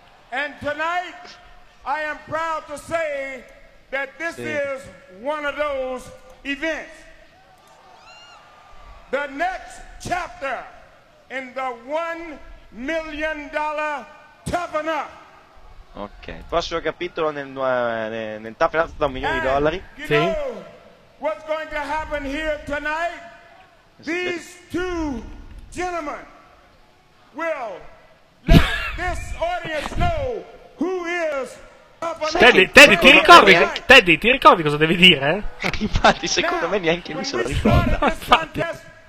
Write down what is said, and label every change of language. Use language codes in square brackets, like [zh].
[en] And tonight I am proud to say that this is one of those events. The next chapter in the $1 million tough enough. [it] Ok, prossimo capitolo nel tough enough da $1 million. [en] Sì. What's going to happen here tonight? These two gentlemen will let this audience know who is. [it] Teddy, ti ricordi cosa devi dire? Infatti, secondo me neanche lui se lo ricorda.